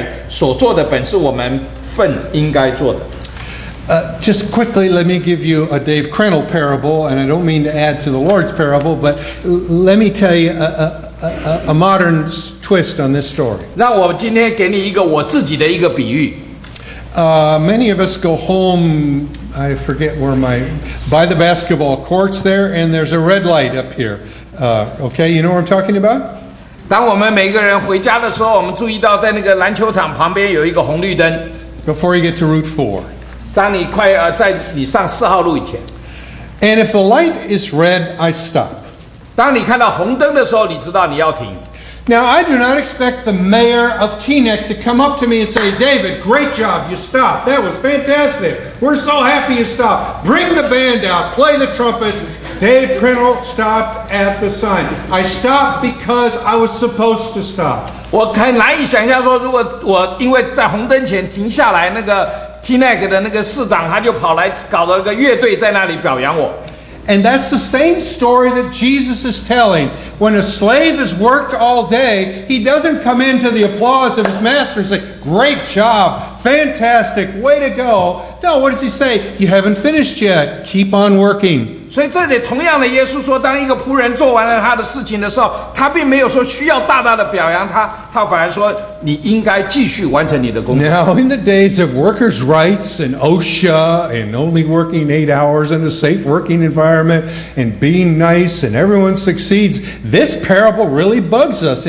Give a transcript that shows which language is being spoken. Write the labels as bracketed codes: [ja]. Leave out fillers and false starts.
[zh] 这样你们做完了一切所吩咐的，只当说我们是无用的仆人，所做的本是我们份应该做的。 [en] Just quickly, let me give you a Dave Crennel parable, and I don't mean to add to the Lord's parable, but let me tell you a modern twist on this story. [zh] 让我今天给你一个我自己的一个比喻。 [en] Many of us go home, I forget where my, by the basketball courts there, and there's a red light up here. Okay, you know what I'm talking about? [zh] 当我们每个人回家的时候，我们注意到在那个篮球场旁边有一个红绿灯。 [en] Before you get to Route 4. [zh] 当你快在你上四号路以前。 [en] And if the light is red, I stop. [zh] 当你看到红灯的时候，你知道你要停。 [en] Now, I do not expect the mayor of Teaneck to come up to me and say, David, great job, you stopped. That was fantastic. We're so happy you stopped. Bring the band out, play the trumpets. Dave Crennel stopped at the sign. I stopped because I was supposed to stop. [zh] 我很难以想象说，如果我因为在红灯前停下来，那个 Teaneck 的那个市长他就跑来搞了个乐队在那里表扬我。 [en] And that's the same story that Jesus is telling. When a slave has worked all day, he doesn't come into the applause of his master and say, "Great job, fantastic, way to go." No, what does he say? "You haven't finished yet. Keep on working." [zh] 所以这里同样的，耶稣说，当一个仆人做完了他的事情的时候，他并没有说需要大大的表扬他，他反而说你应该继续完成你的工作。 [en] Now, in the days of workers' rights and OSHA and only working 8 hours in a safe working environment and being nice and everyone succeeds, this parable really bugs us.